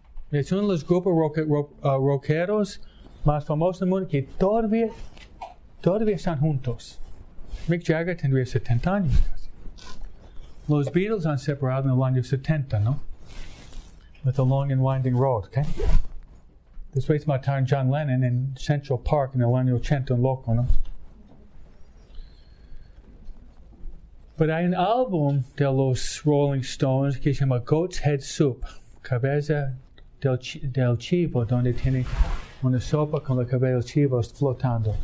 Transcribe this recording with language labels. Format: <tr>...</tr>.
<es>Es uno de los grupos rockeros más famosos del mundo que todavía están juntos. Mick Jagger tendría 70 años casi. Los Beatles han separado en el año 70, ¿no?</es> <en>With a long and winding road, okay?</en> <es>Después mataron John Lennon en Central Park en el año 80 en loco, ¿no? Pero hay un álbum de los Rolling Stones que se llama Goat's Head Soup, Cabeza del Chivo, donde tiene una sopa con la cabeza del chivo flotando.</es>